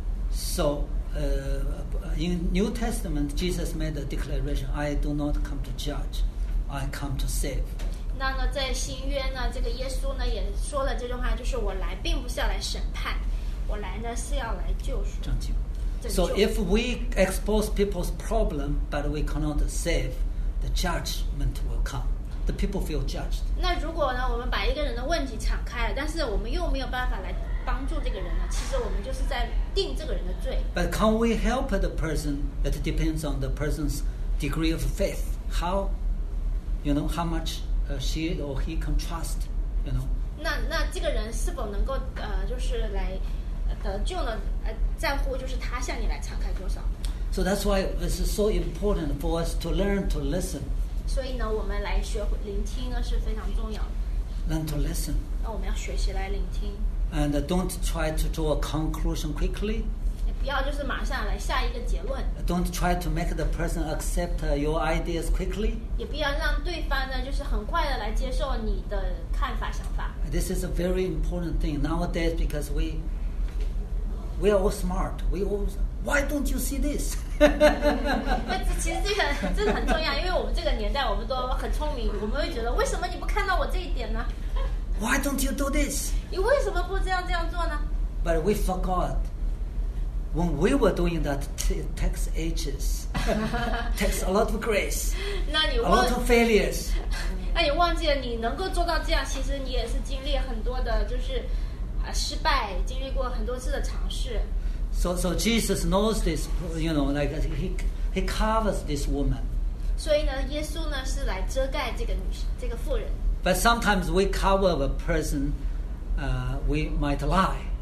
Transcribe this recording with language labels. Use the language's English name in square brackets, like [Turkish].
[English] So, in New Testament, Jesus made a declaration: I do not come to judge, I come to save. [Chinese] 那呢，在新约呢，这个耶稣呢也说了这句话，就是我来并不是要来审判，我来呢是要来救赎。拯救。 [English] So if we expose people's problem, but we cannot save, the judgment will come. The people feel judged. [Chinese] 那如果呢，我们把一个人的问题敞开了，但是我们又没有办法来帮助这个人呢？其实我们就是在定这个人的罪。 [English] But can we help the person? It depends on the person's degree of faith. How, you know, how much she or he can trust, you know? [Chinese] 那这个人是否能够就是来得救呢？在乎就是他向你来敞开多少。 [English] So that's why it's so important for us to learn to listen. [Chinese] 所以呢，我们来学聆听呢是非常重要的。 [English] Learn to listen. [Chinese] 那我们要学习来聆听。 [English] And don't try to draw a conclusion quickly. [Chinese] 也不要就是马上来下一个结论。 [English] Don't try to make the person accept your ideas quickly. [Chinese] 也不要让对方呢就是很快的来接受你的看法想法。 [English] This is a very important thing nowadays because we are all smart. We all why don't you see this? [Chinese] 其实这个很重要，因为我们这个年代我们都很聪明，我们会觉得为什么你不看到我这一点呢？ [English] Why don't you do this? [Chinese] 你为什么不这样做呢？ [English] But we forgot when we were doing that takes ages. Takes a lot of grace. A lot of failures. [Chinese] 那你忘记了你能够做到这样，其实你也是经历很多的就是失败，经历过很多次的尝试。 [English] So Jesus knows this, you know, like he covers this woman. [Chinese] 所以呢，耶稣呢是来遮盖这个妇人。 [English] But sometimes we cover a person, we might lie.